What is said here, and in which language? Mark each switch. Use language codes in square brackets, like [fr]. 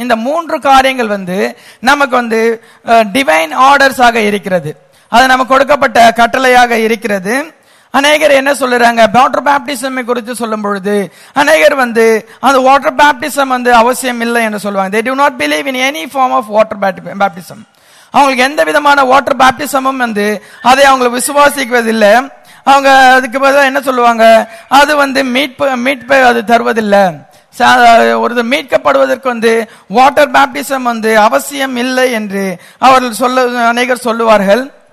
[ta] இந்த 3 காரியங்கள் வந்து நமக்கு வந்து டிவைன் ஆர்டர்ஸ் ஆக இருக்கிறது, அது நமக்கு கொடுக்கப்பட்ட கட்டளையாக இருக்கிறது. அநேகர் என்ன சொல்லுறாங்க, வாட்டர் பேப்டிசம் குறித்து சொல்லும் பொழுது அநேகர் வந்து அந்த வாட்டர் பேப்டிசம் வந்து அவசியம் இல்லை என்று சொல்லுவாங்க. [en] They do not believe in any form of water baptism. [ta] அவங்களுக்கு எந்த விதமான வாட்டர் பேப்டிசமும் வந்து அதை அவங்க விசுவாசிக்குவதில்லை. அவங்க அதுக்கு பதிலாக என்ன சொல்லுவாங்க, அது வந்து மீட்பை அது தருவதில்லை, ஒரு மீட்கப்படுவதற்கு வந்து வாட்டர் பேப்டிசம் வந்து அவசியம் இல்லை என்று அவர்கள் சொல்ல அநேகர் சொல்லுவார்கள்.